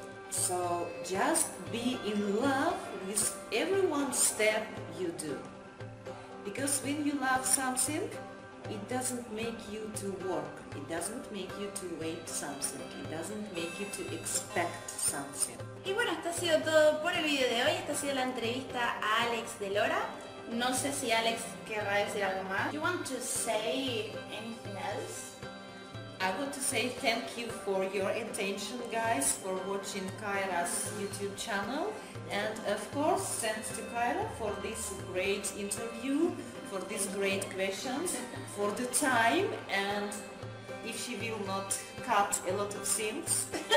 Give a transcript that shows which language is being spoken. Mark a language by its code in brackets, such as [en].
[en] So just be in love with every one step you do, because when you love something, it doesn't make you to work, it doesn't make you to wait something, it doesn't make you to expect something. [es] Y bueno, esto ha sido todo por el video de hoy, esta ha sido la entrevista a Alex Delora. No sé si Alex querrá decir algo más. [en] You want to say anything else? I want to say thank you for your attention, guys, for watching Kyra's YouTube channel, and of course, thanks to Kyra for this great interview, for these great questions, for the time, and if she will not cut a lot of scenes.